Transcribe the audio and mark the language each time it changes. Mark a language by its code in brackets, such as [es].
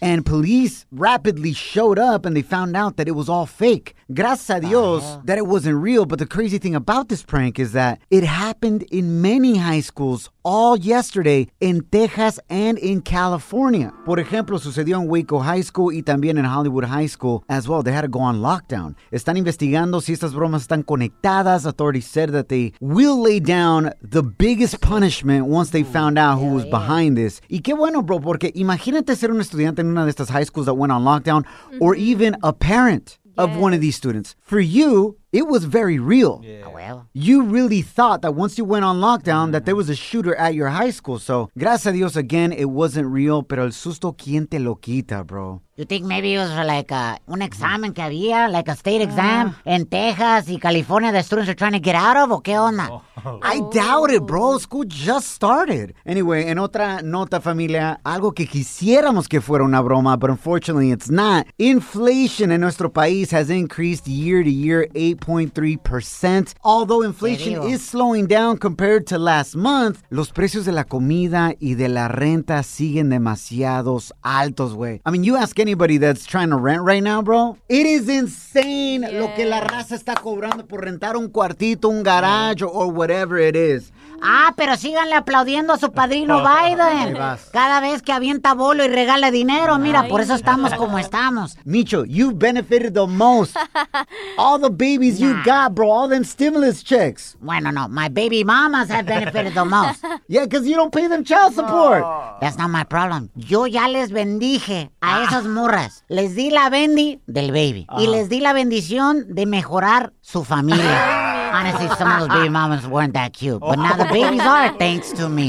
[en] And police rapidly showed up and they found out that it was all fake. [es] Gracias a Dios, [en] oh, yeah, that it wasn't real. But the crazy thing about this prank is that it happened in many high schools all yesterday in Texas and in California. [es] Por ejemplo, sucedió en Waco High School y también en Hollywood High School [en] as well. They had to go on lockdown. [es] Están investigando si estas bromas están conectadas. [en] Authorities said that they will lay down the biggest punishment once they found out who was behind this. [es] Y qué bueno, bro, porque imagínate ser un estudiante en una de estas [en] high schools that went on lockdown, mm-hmm, or even a parent, yes, of one of these students. For you, it was very real. Yeah. Well, you really thought that once you went on lockdown, mm-hmm, that there was a shooter at your high school. So, [es] gracias a Dios, [en] again, it wasn't real. [es] Pero el susto, ¿quién te lo quita, bro? [en] You think maybe it was like [es] un examen que había, [en] like a state exam in Texas [es] y California [en] that students are trying to get out of, [es] o qué onda? [en] Oh. I doubt it, bro. School just started. Anyway, [es] en otra nota, familia, algo que quisiéramos que fuera una broma, [en] but unfortunately it's not. Inflation in [es] nuestro país [en] has increased year to year 8.3%. Although inflation is slowing down compared to last month, [es] los precios de la comida y de la renta siguen demasiados altos, güey. [en] I mean, you ask anybody that's trying to rent right now, bro, it is insane, yeah, [es] lo que la raza está cobrando por rentar un cuartito, un garage, [en] or whatever it is. [es] Ah, pero síganle aplaudiendo a su padrino Biden. Cada vez que avienta bolo y regala dinero, mira, por eso estamos como estamos. [en] Micho, you benefited the most. All the babies you got, bro, all them stimulus checks. [es] Bueno, no, [en] my baby mamas have benefited the most. Yeah, because you don't pay them child support. That's not my problem. [es] Yo ya les bendije a esas morras. Les di la bendi del baby. Uh-huh. Y les di la bendición de mejorar su familia. [en] Honestly, some of those baby mamas weren't that cute. But now the babies are, thanks to me.